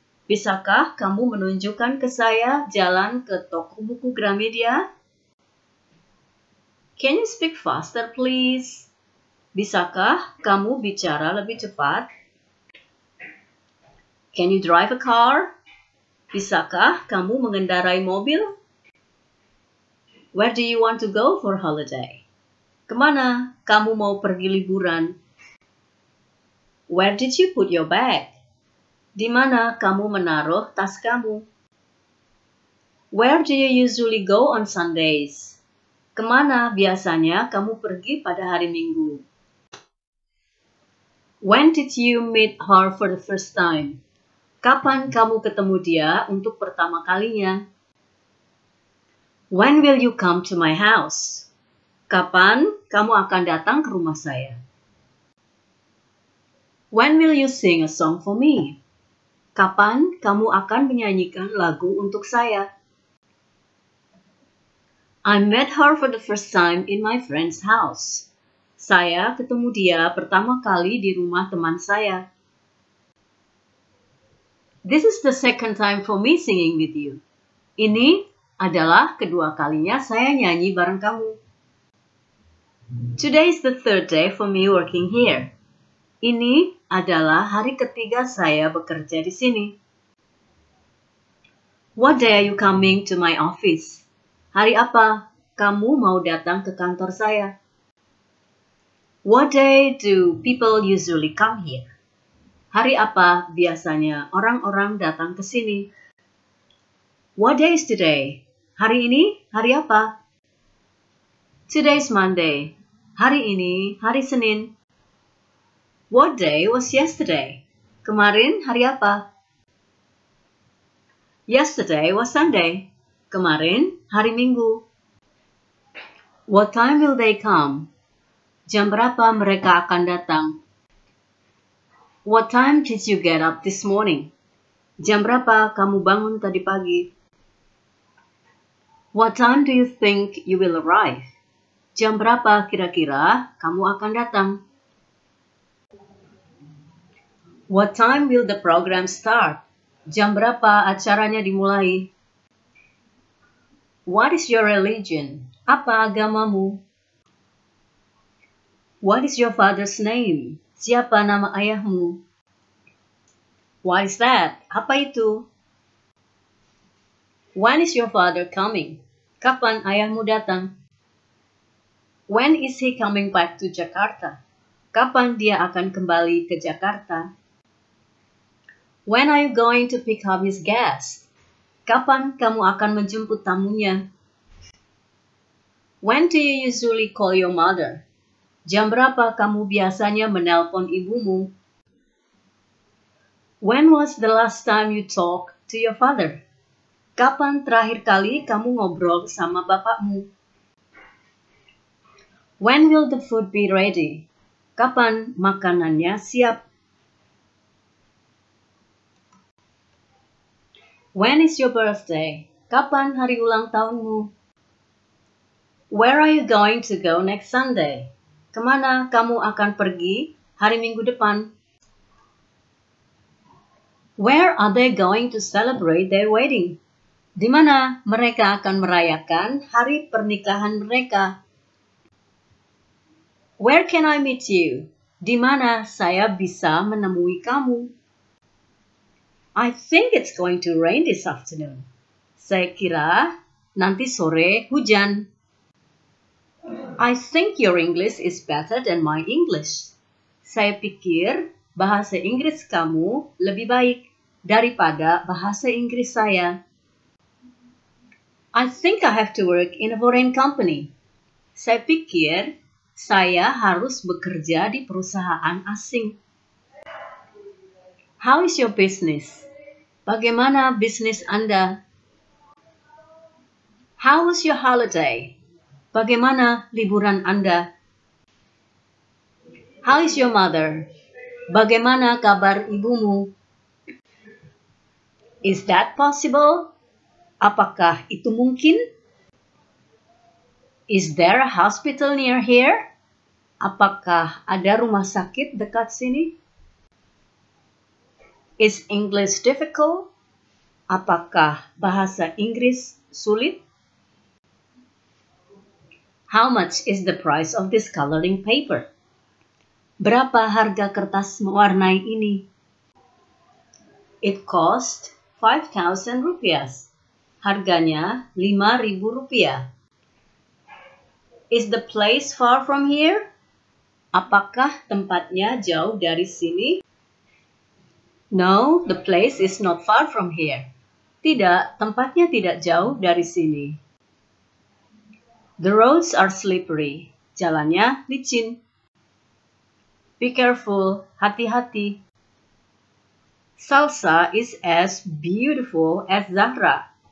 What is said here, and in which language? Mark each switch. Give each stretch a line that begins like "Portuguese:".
Indonesian: Bisakah kamu menunjukkan ke saya jalan ke toko buku Gramedia?
English: Can you speak faster, please?
Indonesian: Bisakah kamu bicara lebih cepat?
English: Can you drive a car?
Indonesian: Bisakah kamu mengendarai mobil?
English: Where do you want to go for holiday?
Indonesian: Kemana kamu mau pergi liburan?
English: Where did you put your bag?
Indonesian: Di mana kamu menaruh tas kamu?
English: Where do you usually go on Sundays?
Indonesian: Kemana biasanya kamu pergi pada hari Minggu?
English: When did you meet her for the first time?
Indonesian: Kapan kamu ketemu dia untuk pertama kalinya?
English: When will you come to my house?
Indonesian: Kapan kamu akan datang ke rumah saya?
English: When will you sing a song for me?
Indonesian: Kapan kamu akan menyanyikan lagu untuk saya?
English: I met her for the first time in my friend's house.
Indonesian: Saya ketemu dia pertama kali di rumah teman saya.
English: This is the second time for me singing with you.
Indonesian: Ini adalah kedua kalinya saya nyanyi bareng kamu.
English: Today is the third day for me working here.
Indonesian: Ini adalah hari ketiga saya bekerja di sini.
English: What day are you coming to my office?
Indonesian: Hari apa kamu mau datang ke kantor saya?
English: What day do people usually come here?
Indonesian: Hari apa biasanya orang-orang datang ke sini?
English: What day is today?
Indonesian: Hari ini hari apa?
English: Today is Monday.
Indonesian: Hari ini hari Senin.
English: What day was yesterday?
Indonesian: Kemarin hari apa?
English: Yesterday was Sunday.
Indonesian: Kemarin hari Minggu.
English: What time will they come?
Indonesian: Jam berapa mereka akan datang?
English: What time did you get up this morning?
Indonesian: Jam berapa kamu bangun tadi pagi?
English: What time do you think you will arrive?
Indonesian: Jam berapa kira-kira kamu akan datang?
English: What time will the program start?
Indonesian: Jam berapa acaranya dimulai?
English: What is your religion?
Indonesian: Apa agamamu?
English: What is your father's name?
Indonesian: Siapa nama ayahmu?
English: What is that?
Indonesian: Apa itu?
English: When is your father coming?
Indonesian: Kapan ayahmu datang?
English: When is he coming back to Jakarta?
Indonesian: Kapan dia akan kembali ke Jakarta?
English: When are you going to pick up his guest?
Indonesian: Kapan kamu akan menjemput tamunya?
English: When do you usually call your mother?
Indonesian: Jam berapa kamu biasanya menelpon ibumu?
English: When was the last time you talked to your father?
Indonesian: Kapan terakhir kali kamu ngobrol sama bapakmu?
English: When will the food be ready?
Indonesian: Kapan makanannya siap?
English: When is your birthday?
Indonesian: Kapan hari ulang tahunmu?
English: Where are you going to go next Sunday?
Indonesian: Kemana kamu akan pergi hari Minggu depan?
English: Where are they going to celebrate their wedding?
Indonesian: Di mana mereka akan merayakan hari pernikahan mereka?
English: Where can I meet you?
Indonesian: Di mana saya bisa menemui kamu?
English: I think it's going to rain this afternoon.
Indonesian: Saya kira nanti sore hujan.
English: I think your English is better than my English.
Indonesian: Saya pikir bahasa Inggris kamu lebih baik daripada bahasa Inggris saya.
English: I think I have to work in a foreign company.
Indonesian: Saya pikir saya harus bekerja di perusahaan asing.
English: How is your business?
Indonesian: Bagaimana bisnis Anda?
English: How was your holiday?
Indonesian: Bagaimana liburan Anda?
English: How is your mother?
Indonesian: Bagaimana kabar ibumu?
English: Is that possible?
Indonesian: Apakah itu mungkin?
English: Is there a hospital near here?
Indonesian: Apakah ada rumah sakit dekat sini?
English: Is English difficult?
Indonesian: Apakah bahasa Inggris sulit?
English: How much is the price of this coloring paper?
Indonesian: Berapa harga kertas mewarnai ini?
English: It cost 5,000 rupiah.
Indonesian: Harganya 5,000 rupiah.
English: Is the place far from here?
Indonesian: Apakah tempatnya jauh dari sini?
English: No, the place is not far from here.
Indonesian: Tidak, tempatnya tidak jauh dari sini.
English: The roads are slippery.
Indonesian: Jalannya licin.
English: Be careful,
Indonesian: hati-hati.
English: Salsa is as beautiful as Zahra.